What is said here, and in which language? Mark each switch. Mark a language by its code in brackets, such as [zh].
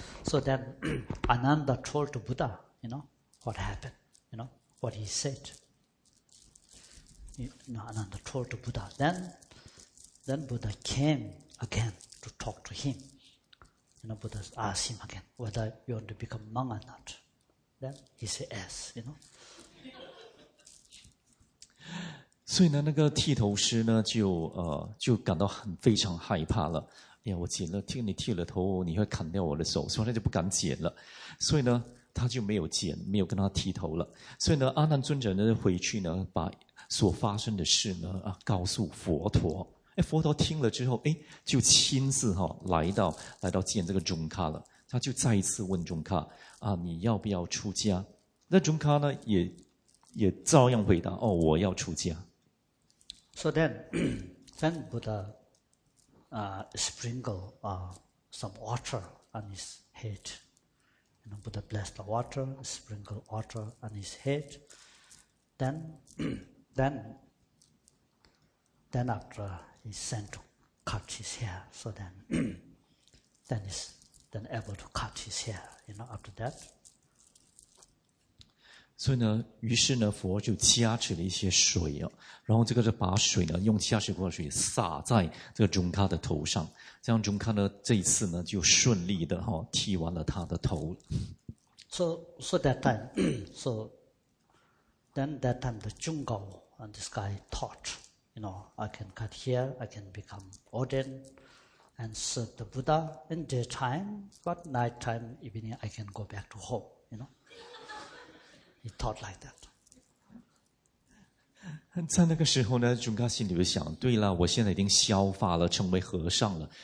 [en] So then Ananda told to Buddha, you know, what happened, you know, what he said. Ananda told to Buddha. Then Buddha came again to talk to him. You know, Buddha asked him again whether you want to become monk or not. Then he said yes, you know. [zh] 所以呢，那个剃头师呢，就感到很非常害怕了。哎呀，我剪了，听你剃了头，你会砍掉我的手，所以他就不敢剪了。所以呢，他就没有剪，没有跟他剃头了。所以呢，阿难尊者呢回去呢，把所发生的事呢告诉佛陀。哎，佛陀听了之后，哎，就亲自哈、来到见这个中卡了。他就再一次问中卡啊，你要不要出家？那中卡呢也照样回答，哦，我要出家。 [en] So then Buddha sprinkled some water on his head. You know, Buddha blessed the water, sprinkled water on his head. Then after he sent to cut his hair, so then then able to cut his hair, you know, after that. [zh] 所以呢，于是呢，佛就加持了一些水哦，然后这个就把水呢，用加持过的水洒在这个中卡的头上，这样中卡呢，这一次呢，就顺利的哈、哦、剃完了他的头。 [en] So that time, so then that time the Junggao and this guy taught, you know, I can cut hair, I can become ordained and serve the Buddha in daytime, but night time, evening, I can go back to home, you know. He taught like that. [zh] 在那个时候呢，中卡心里就想：对了，我现在已经削发了，成为和尚了。